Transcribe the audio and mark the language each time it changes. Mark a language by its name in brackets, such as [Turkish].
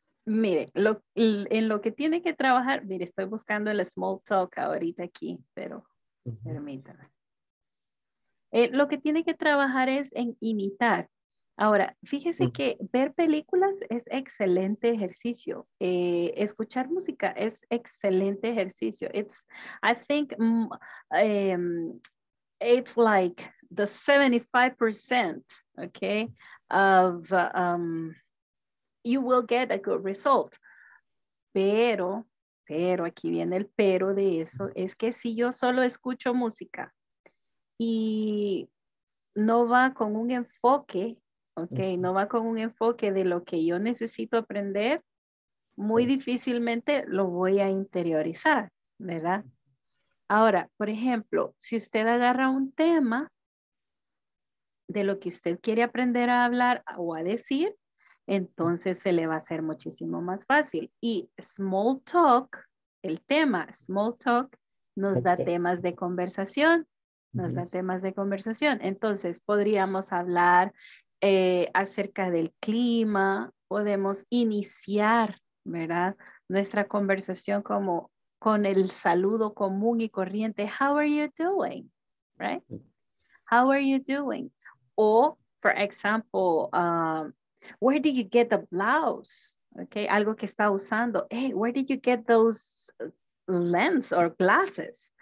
[Spanish] Mire, en lo que tiene que trabajar, mire, estoy buscando el small talk ahorita aquí, pero uh-huh. Permítame. Lo que tiene que trabajar es en imitar. Ahora, fíjese uh-huh. que ver películas es excelente ejercicio. Escuchar música es excelente ejercicio. [English] It's like the 75%, okay, of you will get a good result. [Spanish] Pero aquí viene el pero de eso, es que si yo solo escucho música y no va con un enfoque, okay, no va con un enfoque de lo que yo necesito aprender, muy difícilmente lo voy a interiorizar, ¿verdad? Ahora, por ejemplo, si usted agarra un tema de lo que usted quiere aprender a hablar o a decir, entonces se le va a hacer muchísimo más fácil. Y small talk, el tema small talk, nos da temas de conversación, nos da temas de conversación. Entonces podríamos hablar... acerca del clima, podemos iniciar, ¿verdad? Nuestra conversación como con el saludo común y corriente. [English] How are you doing? Right? How are you doing? O, for example, where did you get the blouse? Okay, [Spanish] algo que está usando. [English] Hey, where did you get those lens or glasses?